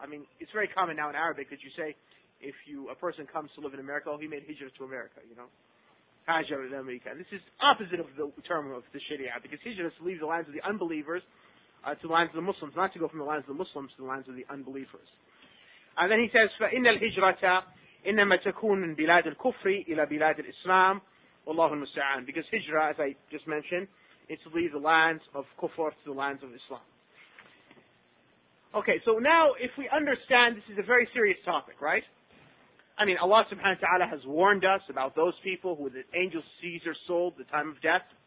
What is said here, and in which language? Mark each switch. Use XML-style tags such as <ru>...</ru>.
<en>I mean, it's very common now in Arabic that you say, a person comes to live in America, oh, he made hijrah to America, you know. Hajar in America. This is opposite of the term of the Sharia, because hijrah is to leave the lands of the unbelievers to the lands of the Muslims, not to go from the lands of the Muslims to the lands of the unbelievers. And then he says,</en> <ar>فَإِنَّ الْهِجْرَةَ إِنَّمَا تَكُونَ مِنْ بِلَادِ الْكُفْرِ إِلَى بِلَادِ الْإِسْلَامِ وَاللَّهُ الْمُسْتَعَانِ.</ar> <en>Because hijrah, as I just mentioned, is to leave the lands of kufr to the lands of Islam. Okay, so now if we understand, this is a very serious topic, right? I mean, Allah subhanahu wa ta'ala has warned us about those people who the angel Caesar sold at the time of death.</en>